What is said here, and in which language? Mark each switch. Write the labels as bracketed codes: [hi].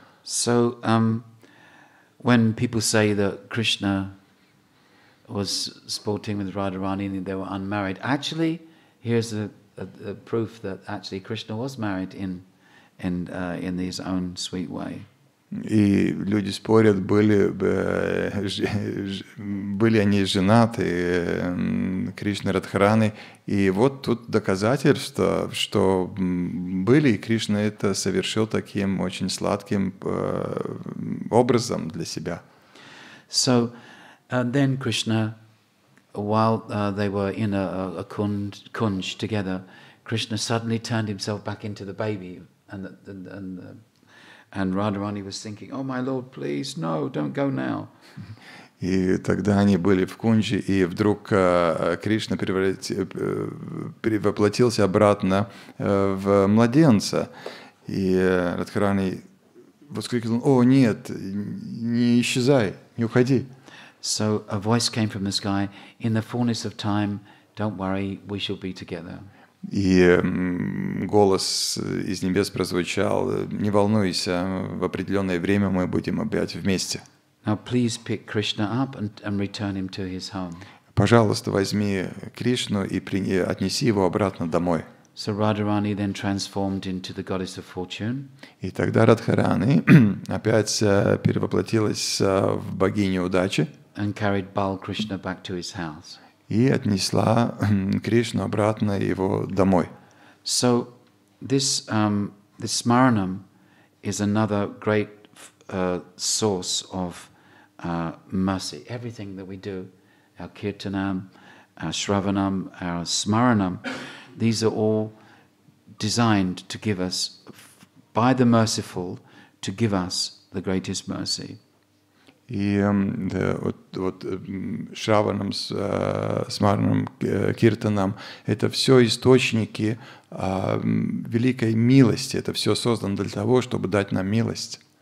[en] So, when people say that Krishna was sporting with Radharani and they were unmarried, actually, here's a proof that actually Krishna was married in his own sweet way. [ru] И люди спорят, были они женаты, Кришна и Радхарани. И вот тут доказательство, что были, и Кришна это совершил таким очень сладким образом для себя. [en] So, then Krishna, while they were in a kunj together, Krishna suddenly turned himself back into the baby, and Radharani was thinking, "Oh my lord, please no, don't go now." [ru] И тогда они были в кунже, и вдруг Кришна перевоплотился обратно в младенца. И Радхарани воскликнул: "О, нет, не исчезай, не уходи." [en] So a voice came from the sky, "In the fullness of time, don't worry, we shall be together." [ru] И голос из небес прозвучал: "Не волнуйся, в определенное время мы будем опять вместе." [en] Now please pick Krishna up and return him to his home. [ru] Пожалуйста, возьми Кришну и отнеси его обратно домой. [en] So Radharani then transformed into the goddess of fortune. [ru] И тогда Радхарани опять перевоплотилась в богиню удачи. [en] And carried Bal Krishna back to his house. [ru] И отнесла Кришну обратно его домой. [en] So this smaranam is another great source of mercy. Everything that we do, our kirtanam, our shravanam, our smaranam, these are all designed to give us, by the merciful, to give us the greatest mercy. [ru] И да, вот шраванам, смаранам, киртанам — это все источники великой милости. Это все создано для того, чтобы дать нам милость.